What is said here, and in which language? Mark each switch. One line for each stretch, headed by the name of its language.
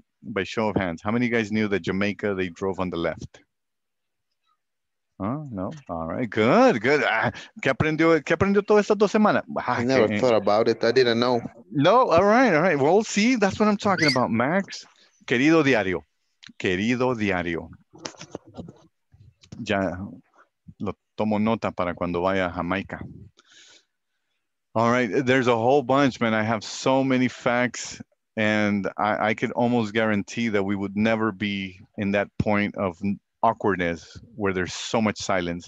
English: By show of hands, how many of you guys knew that Jamaica, they drove on the left? Oh, no? All right. Good, good.
Spanish: ¿Qué aprendió todas estas dos semanas?
English: I never thought about it. I didn't know. No? All right. Well, see, that's what I'm talking about, Max.
Spanish: Querido diario. Ya lo tomo nota para cuando vaya a Jamaica.
English: All right. There's a whole bunch, man. I have so many facts. And I could almost guarantee that we would never be in that point of awkwardness where there's so much silence.